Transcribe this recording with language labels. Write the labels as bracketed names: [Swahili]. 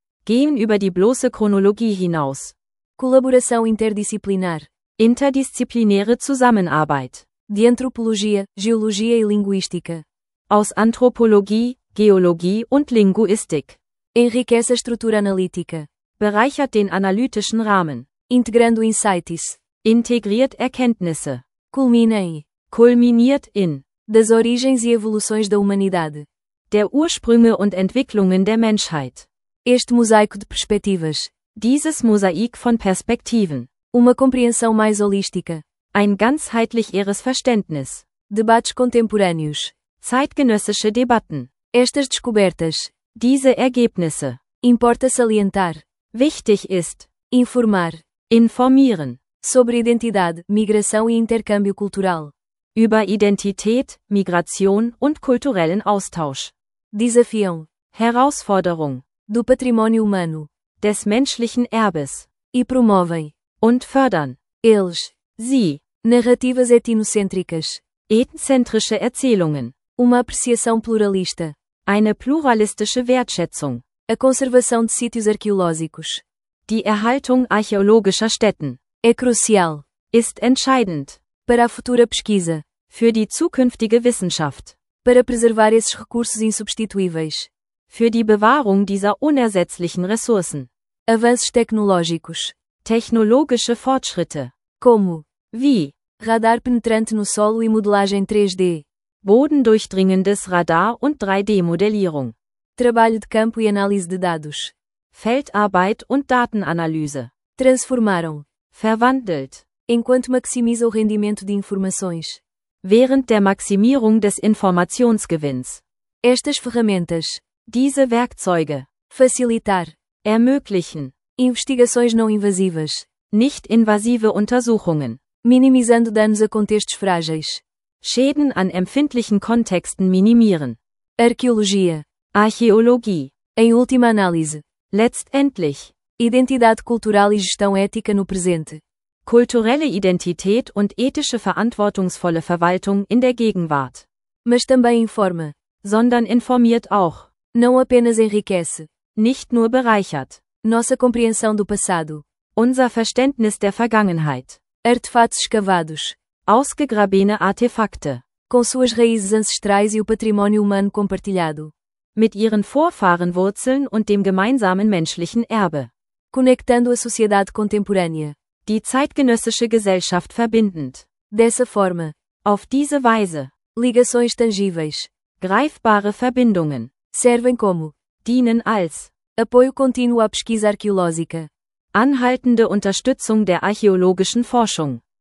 [German] Gehen über die bloße Chronologie hinaus. [Portuguese] Colaboração interdisciplinar. [German] Interdisziplinäre Zusammenarbeit. [Portuguese] De antropologia, geologia e linguística. [German] Aus Anthropologie, Geologie und Linguistik. [Portuguese] Enriquece a estrutura analítica. [German] Bereichert den analytischen Rahmen. [Portuguese] Integrando insights. [German] Integriert Erkenntnisse. [Portuguese] Culmina em. [German] Kulminiert in. [Portuguese] Das origens e evoluções da humanidade. [German] Der Ursprünge und Entwicklungen der Menschheit. [Portuguese] Este mosaico de perspectivas. [German] Dieses Mosaik von Perspektiven. [Portuguese] Uma compreensão mais holística. [German] Ein ganzheitlicheres Verständnis. [Portuguese] Debates contemporâneos. [German] Zeitgenössische Debatten. [Portuguese] Estas descobertas. [German] Diese Ergebnisse. [Portuguese] Importa salientar. [German] Wichtig ist. [Portuguese] Informar. [German] Informieren. [Portuguese] Sobre identidade, migração e intercâmbio cultural. [German] Über Identität, Migration und kulturellen Austausch. [Portuguese] Desafiam. [German] Herausforderung. [Portuguese] Do patrimônio humano. [German] Des menschlichen Erbes. [Portuguese] E promovem. [German] Und fördern. [Portuguese] Eles. [German] Sie. [Portuguese] Narrativas etnocêntricas. [German] Ethnzentrische Erzählungen. [Portuguese] Uma apreciação pluralista. [German] Eine pluralistische Wertschätzung. [Portuguese] A conservação de sítios arqueológicos. [German] Die Erhaltung archäologischer Stätten. [Portuguese] É crucial. [German] Ist entscheidend. [Portuguese] Para a futura pesquisa. [German] Für die zukünftige Wissenschaft. [Portuguese] Para preservar esses recursos insubstituíveis. [German] Für die Bewahrung dieser unersetzlichen Ressourcen. [Portuguese] Avanços tecnológicos. [German] Technologische Fortschritte. [Portuguese] Como? [German] Wie? [Portuguese] Radar penetrante no solo e modelagem 3D. [German] Bodendurchdringendes Radar und 3D-Modellierung. [Portuguese] Trabalho de campo e análise de dados. [German] Feldarbeit und Datenanalyse. [Portuguese] Transformaram. [German] Verwandelt. [Portuguese] Enquanto maximiza o rendimento de informações. [German] Während der Maximierung des Informationsgewinns. [Portuguese] Estas ferramentas. [German] Diese Werkzeuge. [Portuguese] Facilitar. [German] Ermöglichen. [Portuguese] Investigações não invasivas. [German] Nicht invasive Untersuchungen. [Portuguese] Minimizando danos a contextos frágeis. [German] Schäden an empfindlichen Kontexten minimieren. [Portuguese] Arqueologia. [German] Archäologie. [Portuguese] Em última análise. [German] Letztendlich. [Portuguese] Identidade cultural e gestão ética no presente. [German] Kulturelle Identität und ethische verantwortungsvolle Verwaltung in der Gegenwart. [Portuguese] Mas também informa. [German] Sondern informiert auch. [Portuguese] Não apenas enriquece. [German] Nicht nur bereichert. [Portuguese] Nossa compreensão do passado. [German] Unser Verständnis der Vergangenheit. [Portuguese] Artefatos escavados. [German] Ausgegrabene Artefakte. [Portuguese] Com suas raízes ancestrais e o patrimônio humano compartilhado. [German] Mit ihren Vorfahrenwurzeln und dem gemeinsamen menschlichen Erbe. [Portuguese] Conectando a sociedade contemporânea. [German] Die zeitgenössische Gesellschaft verbindend. [Portuguese] Dessa forma. [German] Auf diese Weise. [Portuguese] Ligações tangíveis. [German] Greifbare Verbindungen. [Portuguese] Servem como. [German] Dienen als. [Portuguese] Apoio contínuo à pesquisa arqueológica. [German] Anhaltende Unterstützung der archäologischen Forschung.